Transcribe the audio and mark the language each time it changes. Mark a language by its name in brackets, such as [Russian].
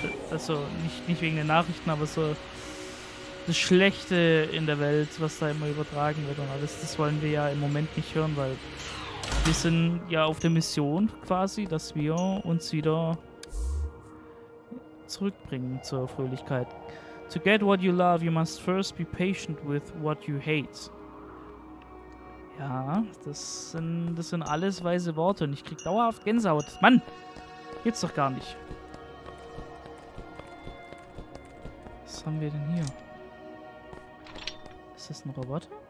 [German] Also, nicht wegen den Nachrichten, aber so... Das Schlechte in der Welt, was da immer übertragen wird und alles. Das wollen wir ja im Moment nicht hören, weil... Wir sind ja auf der Mission quasi, dass wir uns wieder... zurückbringen zur Fröhlichkeit. [English] To get what you love, you must first be patient with what you hate. [German] Ja, das sind alles weise Worte und ich krieg dauerhaft Gänsehaut. Mann! Geht's doch gar nicht. Was haben wir denn hier? Ist das ein Roboter?